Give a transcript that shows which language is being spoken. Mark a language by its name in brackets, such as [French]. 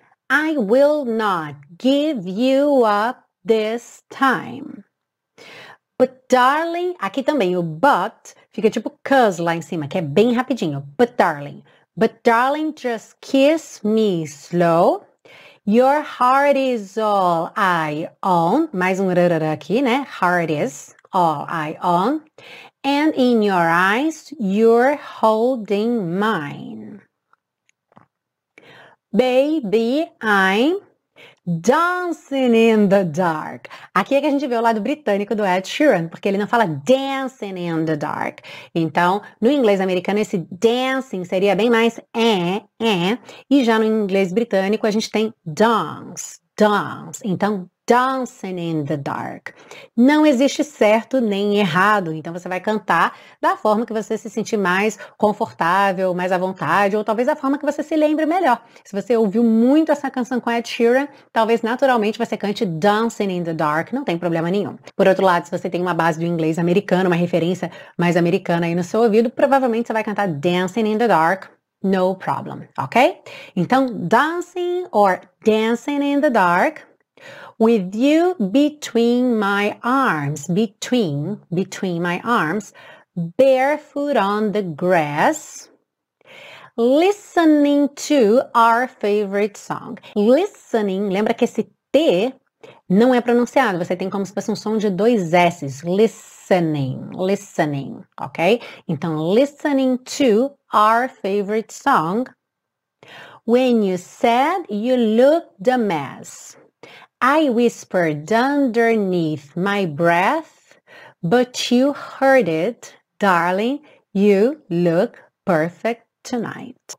[English] I will not give you up this time. But darling, [Portuguese] aqui também o but fica tipo 'cause lá em cima, que é bem rapidinho. [English] But darling, just kiss me slow. Your heart is all I own. [Portuguese] Mais um rarara aqui, né? [English] Heart is all I own. And in your eyes, you're holding mine. Baby, I'm Dancing in the Dark. [Portuguese] Aqui é que a gente vê o lado britânico do Ed Sheeran, porque ele não fala [English] Dancing in the Dark. [Portuguese] Então, no inglês americano, esse dancing seria bem mais e já no inglês britânico, a gente tem dance. Então, [English] Dancing in the Dark. [Portuguese] Não existe certo nem errado, então você vai cantar da forma que você se sentir mais confortável, mais à vontade, ou talvez da forma que você se lembre melhor. Se você ouviu muito essa canção com Ed Sheeran, talvez naturalmente você cante [English] Dancing in the Dark, [Portuguese] não tem problema nenhum. Por outro lado, se você tem uma base do inglês americano, uma referência mais americana aí no seu ouvido, provavelmente você vai cantar [English] Dancing in the Dark, no problem, [Portuguese] ok? [English] Então, Dancing or Dancing in the Dark, with you between my arms, between my arms, barefoot on the grass, listening to our favorite song. [Portuguese] Listening, lembra que esse T não é pronunciado, você tem como se fosse um som de dois S's, listening, ok? [English] Então, listening to our favorite song, when you said you looked a mess. I whispered underneath my breath, but you heard it, darling, you look perfect tonight.